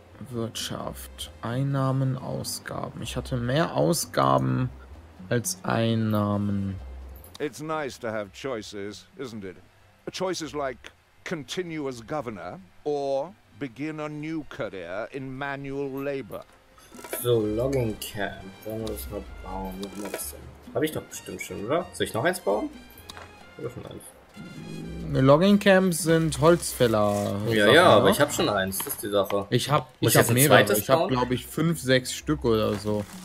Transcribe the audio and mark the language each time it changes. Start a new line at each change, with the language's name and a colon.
German: Wirtschaft, Einnahmen, Ausgaben. Ich hatte mehr Ausgaben als Einnahmen.
English: It's nice to have choices, isn't it? Choices like continue as governor or begin a new career in manual labor. So, Logging Camp.
German: Wollen wir das mal bauen? Was ist das denn? Hab ich doch bestimmt schon, oder? Soll ich noch eins bauen? Oder schon eins? Logging Camps sind Holzfäller. Ja, oder? Aber ich hab schon eins, das ist die Sache. Ich hab mehrere. Ich hab, glaube ich, 5-6 Stück oder so.